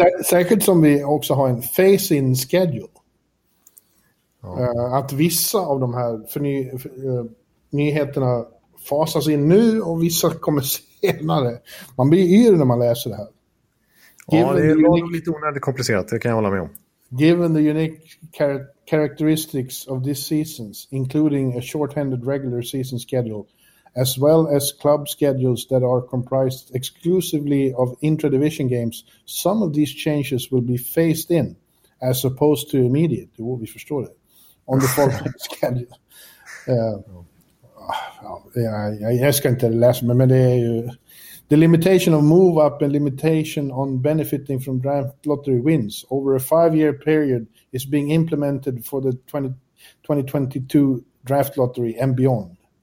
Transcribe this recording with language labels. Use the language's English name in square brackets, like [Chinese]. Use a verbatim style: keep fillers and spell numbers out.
[Swedish] Särskilt som vi också har en [English] phase-in schedule. [Swedish] Ja. Att vissa av de här förny- för, nyheterna fasas in nu och vissa kommer senare. Man blir yr när man läser det här. Ja, det är lite onödigt komplicerat. Det kan jag hålla med om. [English] Given the unique char- characteristics of these seasons, including a shorthanded regular season schedule, as well as club schedules that are comprised exclusively of intra-division games, some of these changes will be phased in, as opposed to immediate. [Swedish] Jo, vi förstår det. [English] On the fourth schedule. [Swedish] Uh, ja, ja, jag ska inte läsa, men det är ju... [English] The limitation of move-up and limitation on benefiting from draft lottery wins over a five-year period is being implemented for the twenty twenty-two draft lottery and beyond.